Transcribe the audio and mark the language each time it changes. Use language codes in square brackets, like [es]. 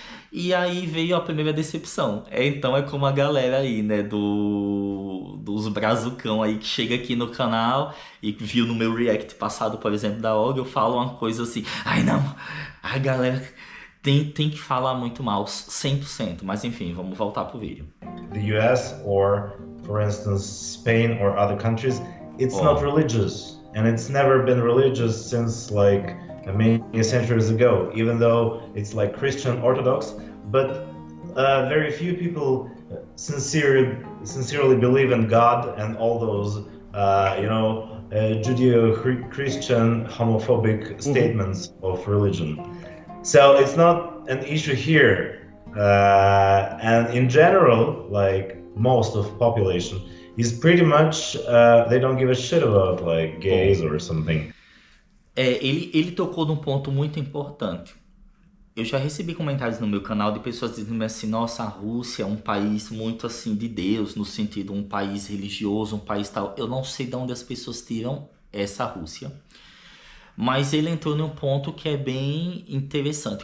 [pt] E aí veio a primeira decepção. Então é como a galera aí, né, dos brazucão aí que chega aqui no canal e viu no meu react passado, por exemplo, da Olga, eu falo uma coisa assim: ai não, a galera tem que falar muito mal, 100%. Mas enfim, vamos voltar pro vídeo. [en] The US or, for instance, Spain or other countries, it's not [pt] Ó. [en] religious. And it's never been religious since like many centuries ago, even though it's like Christian Orthodox. But very few people sincerely believe in God and all those, Judeo-Christian homophobic statements of religion. So it's not an issue here. And in general, like most of the population is pretty much they don't give a shit about like gays [pt] Bom, [en] or something. [pt] ele tocou num ponto muito importante. Eu já recebi comentários no meu canal de pessoas dizendo assim: nossa, a Rússia é um país muito assim de Deus, no sentido um país religioso, um país tal. Eu não sei de onde as pessoas tiram essa Rússia. Mas ele entrou num ponto que é bem interessante.